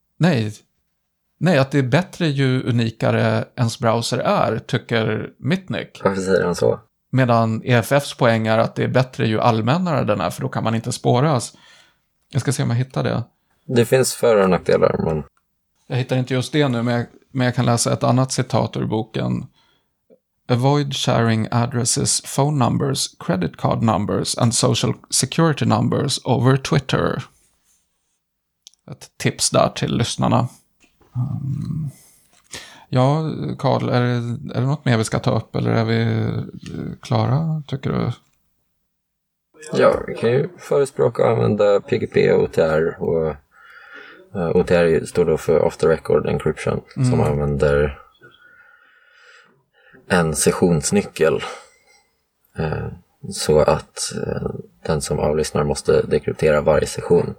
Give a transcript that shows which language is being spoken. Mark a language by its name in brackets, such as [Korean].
[Swedish] Nej, att det är bättre ju unikare ens browser är, tycker Mitnick. Varför säger han så? Medan EFFs poäng är att det är bättre ju allmännare den är, för då kan man inte spåras. Jag ska se om jag hittar det. Det finns för- och nackdelar, men... Jag hittar inte just det nu, men jag kan läsa ett annat citat ur boken. [English] Avoid sharing addresses, phone numbers, credit card numbers and social security numbers over Twitter. [Swedish] Ett tips där till lyssnarna. Ja, Carl, är det något mer vi ska ta upp eller är vi klara, tycker du? Ja, vi kan ju förespråka att använda PGP och OTR. Och OTR står då för off the record encryption, som använder en sessionsnyckel så att den som avlyssnar måste dekryptera varje session.